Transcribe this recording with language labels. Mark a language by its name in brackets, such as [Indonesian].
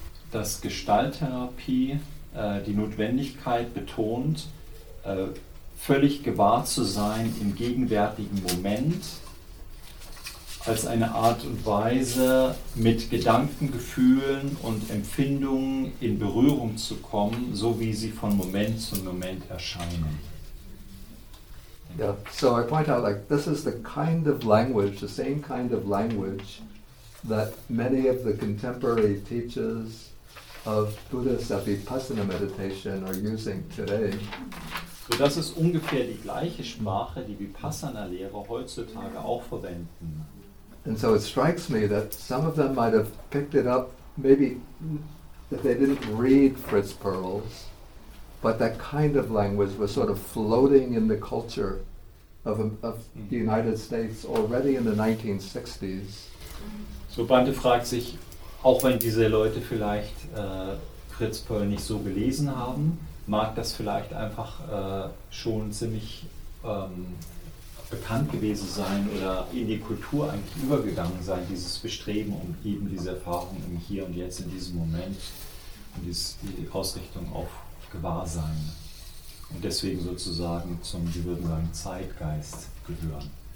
[German] dass Gestalttherapie die Notwendigkeit betont, völlig gewahr zu sein im gegenwärtigen Moment, als eine Art und Weise, mit Gedanken, Gefühlen und Empfindungen in Berührung zu kommen, so wie sie von Moment zu Moment erscheinen. [English] Yeah. So I point out, like, this is the kind of language, the same kind of language that many of the contemporary teachers of Buddhist Vipassana meditation are using today. [German] So das ist ungefähr die gleiche Sprache, die Vipassana-Lehrer heutzutage auch verwenden. [English] And so it strikes me that some of them might have picked it up, maybe that they didn't read Fritz Perls, but that kind of language was sort of floating in the culture of the United States already in the 1960s. [German] So Bante fragt sich, auch wenn diese Leute vielleicht Fritz Perl nicht so gelesen haben, mag das vielleicht einfach schon ziemlich bekannt gewesen sein oder in die Kultur eigentlich übergegangen sein, dieses Bestreben, um eben diese Erfahrung im Hier und Jetzt, in diesem Moment, und die Ausrichtung auf Gewahrsein und deswegen sozusagen zum, wir würden sagen, Zeitgeist gehören.